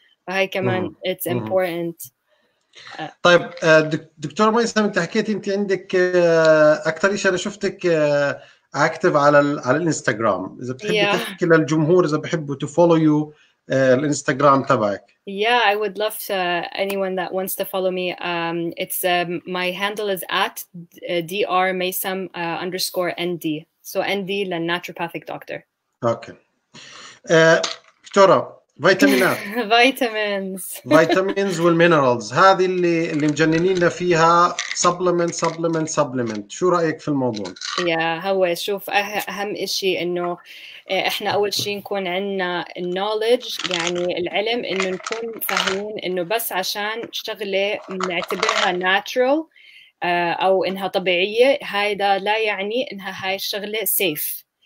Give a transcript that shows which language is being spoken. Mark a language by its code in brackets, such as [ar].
[ar] فهاي كمان [en] it's important. [ar] طيب دكتورة ميسم، أنت حكيت أنت عندك أكتر إشي، أنا شفتك اكتف على الانستغرام، اذا بتحبي تحكي للجمهور اذا بحبوا [en] to follow you [ar] الانستغرام تبعك. [en] Yeah, I would love to anyone that wants to follow me. It's my handle is at drmaysam underscore nd. So [ar] nd للناتروباثيك دكتور. اوكي. دكتورة، فيتامينات. فيتامينز والمينرالز، هذه اللي مجننيننا فيها. سبلمنت. شو رأيك في الموضوع؟ يا هو شوف، أهم إشي إنه إحنا أول شيء نكون عنا knowledge، يعني العلم، إنه نكون فاهمين إنه بس عشان شغلة نعتبرها natural أو إنها طبيعية، هذا لا يعني إنها هاي الشغلة safe.